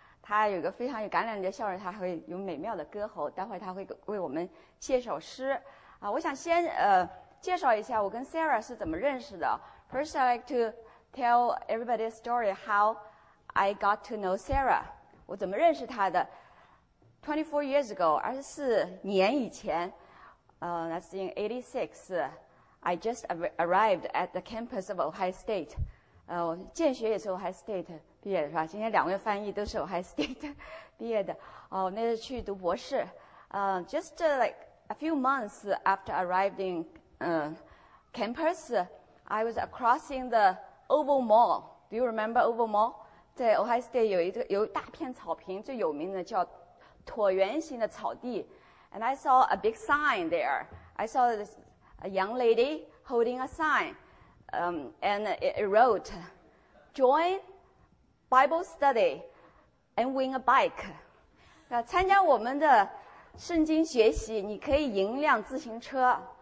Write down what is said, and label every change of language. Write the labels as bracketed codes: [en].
[zh] 她有一个非常有感染力的笑容，她会有美妙的歌喉。待会她会为我们写首诗啊。我想先介绍一下我跟 Sarah 是怎么认识的。 [en] First, I'd like to tell everybody a story how I got to know Sarah. [zh] 我怎么认识她的？ [en] 24 years ago, [zh] 24年以前 [en] that's in 86, I just arrived at the campus of Ohio State. [zh] 建学也是 Ohio State 毕业的是吧？今天两位翻译都是 Ohio State 毕业的。那是去读博士。 [en] Just like a few months after arrived in campus, I was crossing the Oval Mall. Do you remember Oval Mall? [zh] 在 Ohio State 有一大片草坪，最有名的叫椭圆形的草地 [en] ，and I saw a big sign there. I saw a young lady holding a sign, and it wrote, "Join Bible study and win a bike." [zh] 参加我们的圣经学习，你可以赢辆自行车。